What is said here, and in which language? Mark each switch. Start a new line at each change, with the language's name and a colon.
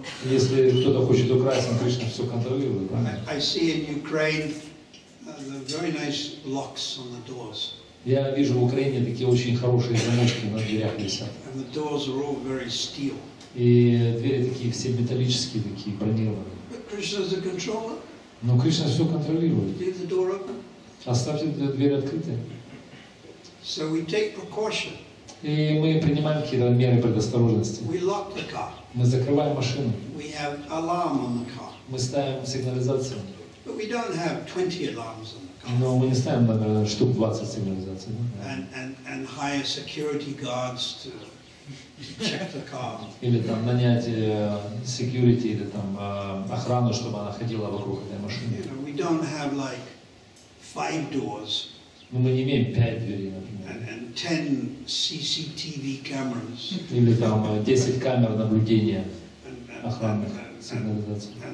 Russian: Если кто-то хочет украсть, Кришна все контролирует.
English: I see in Ukraine very nice locks on the doors.
Russian: Я вижу в Украине такие очень хорошие замочки на дверях леса.
English: And the doors are all very steel.
Russian: И двери такие все металлические, такие бронированные.
English: But Krishna is the controller.
Russian: Но Кришна все контролирует.
English: Leave the door open.
Russian: Оставьте дверь открытой.
English: So we take precaution.
Russian: И мы принимаем какие-то меры предосторожности.
English: We lock the car.
Russian: Мы закрываем машину.
English: We have alarm on the car.
Russian: Мы ставим сигнализацию.
English: But we don't have 20 alarms on the car.
Russian: Но мы не ставим, наверное, штук 20 сигнализаций. Да?
English: And hire security guards to check the car.
Russian: Или там нанять security или там охрану, чтобы она ходила вокруг этой машины.
English: You know, we don't have like 5 doors.
Russian: Но мы не имеем 5 дверей, например.
English: And 10 CCTV cameras.
Russian: Или там 10 камер наблюдения охранных сигнализаций.